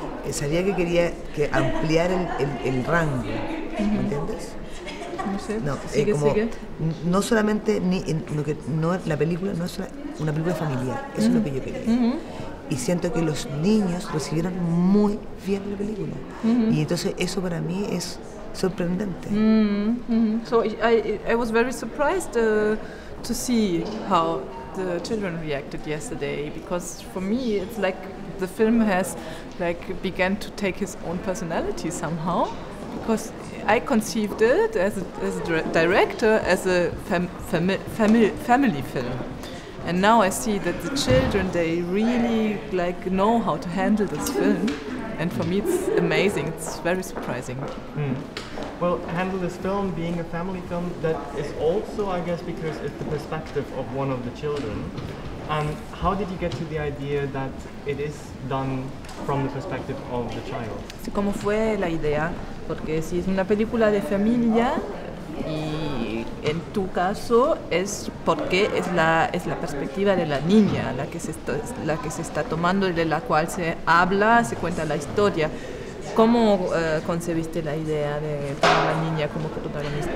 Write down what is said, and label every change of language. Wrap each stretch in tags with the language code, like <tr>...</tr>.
<es>Sabía que quería que ampliar el rango, ¿me entiendes? No sé. No, sigue. No solamente la película no es una película familiar. Eso es lo que yo quería. Y siento que los niños recibieron muy bien la película. Y entonces eso para mí es sorprendente.</es> <en>So I was very surprised to see how the children reacted yesterday, because for me it's like the film has like began to take his own personality somehow, because I conceived it as a director as a family film. And now I see that the children, they really like know how to handle this film. And for me it's amazing, it's very surprising. Well, handle this film being a family film, that is also, I guess, because it's the perspective of one of the children. And how did you get to the idea that it is done from the perspective of the child?</en> <es>Sí, ¿cómo fue la idea? Porque si es una película de familia, y en tu caso es porque es la perspectiva de la niña la que se está tomando y de la cual se habla, se cuenta la historia. ¿Cómo concebiste la idea de tener a la niña como protagonista?</es>